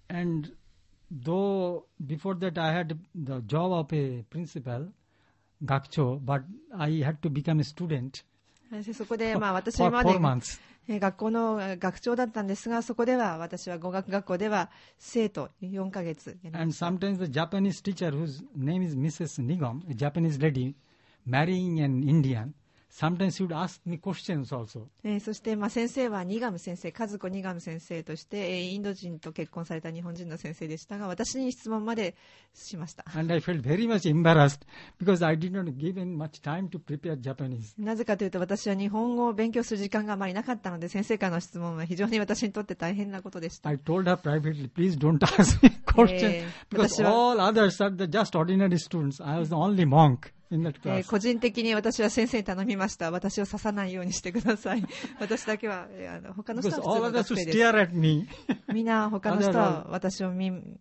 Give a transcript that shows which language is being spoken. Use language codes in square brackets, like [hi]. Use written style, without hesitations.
[en] And though before that I had the job of a principal, 学長, but I had to become a student. [ja] そこで、まあ、私まで学校の学長だったんですが、そこでは私は語学学校では生徒4ヶ月。 [en] And sometimes the Japanese teacher whose name is Mrs. Nigam, a Japanese lady marrying an Indian, sometimes she would ask me questions also. [ja] そして、まあ、先生はニガム先生、カズコニガム先生として、インド人と結婚された日本人の先生でしたが、私に質問までしました。 [en] And I felt very much embarrassed because I did not give him much time to prepare Japanese. [ja] なぜかというと、私は日本語を勉強する時間があまりなかったので、先生からの質問は非常に私にとって大変なことでした。 [en] I told her privately, please don't ask me questions because all others are just ordinary students. I was the only monk. [ja] 個人的に私は先生に頼みました。私を刺さないようにしてください。私だけは他の人は普通の学生です。みんな他の人は私を見て